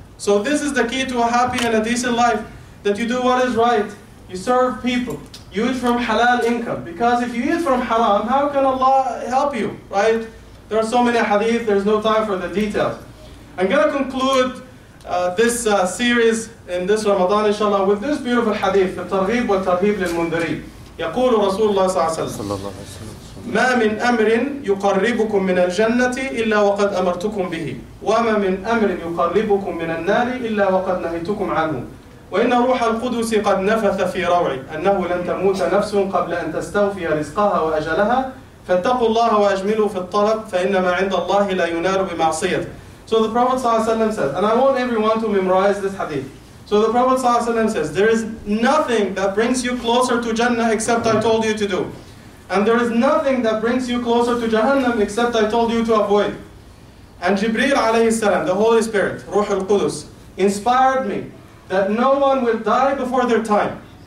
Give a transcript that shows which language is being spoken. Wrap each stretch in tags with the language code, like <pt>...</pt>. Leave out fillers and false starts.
<en>So this is the key to a happy and a decent life, that you do what is right, you serve people, you eat from halal income. Because if you eat from haram, how can Allah help you, right? There are so many hadith, there's no time for the details. I'm going to conclude this series in this Ramadan, inshallah, with this beautiful hadith, التَرْغِيب وَالتَرْهِيب لِلْمُنْدَرِيب.</en> <ar>يقول رسول الله صلى الله عليه وسلم ما من أمر يقربكم من الجنة إلا وقد أمرتكم به وما من أمر يقربكم من النار إلا وقد نهيتكم عنه وإن روح القدس قد نفث في روعي أنه لن تموت نفس قبل أن تستوفي رزقها وأجلها فاتقوا الله وأجملوا في الطلب فإنما عند الله لا ينال بمعصية.</ar> <en>So the Prophet</en> <ar>صلى الله عليه وسلم</ar> <en>says, and I want everyone to memorize this hadith. So the Prophet</en> <ar>صلى الله عليه وسلم</ar> <en>says, there is nothing that brings you closer to Jannah except I told you to do. And there is nothing that brings you closer to Jahannam except I told you to avoid. And Jibreel alayhi salam, the Holy Spirit, Ruh al-Qudus, inspired me that no one will die before their time.</en>